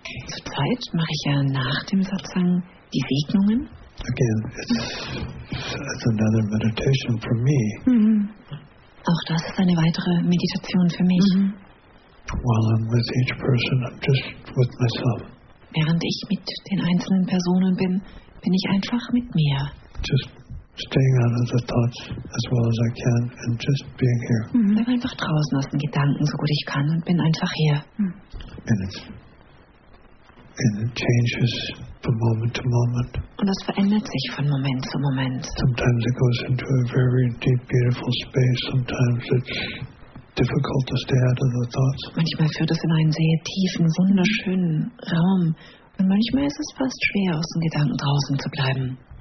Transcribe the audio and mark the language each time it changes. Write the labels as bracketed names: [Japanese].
[German] Zurzeit mache ich ja nach dem Satsang die Segnungen. [English] Again, it's another meditation for me. [German] Auch das ist eine weitere Meditation für mich. [English] While I'm with each person, I'm just with myself. [German] Während ich mit den einzelnen Personen bin, bin ich einfach mit mir. [English] Just staying out of the thoughts as well as I can and just being here. [German] Bin einfach draußen aus den Gedanken, so gut ich kann, und bin einfach hier. [English] And it changes from moment to moment. [German] Und das verändert sich von Moment zu Moment. [English] Sometimes it goes into a very deep, beautiful space. Sometimes it's difficult to stay out of the thoughts. [German] Manchmal führt es in einen sehr tiefen, wunderschönen Raum. Und manchmal ist es fast schwer, aus den Gedanken draußen zu bleiben.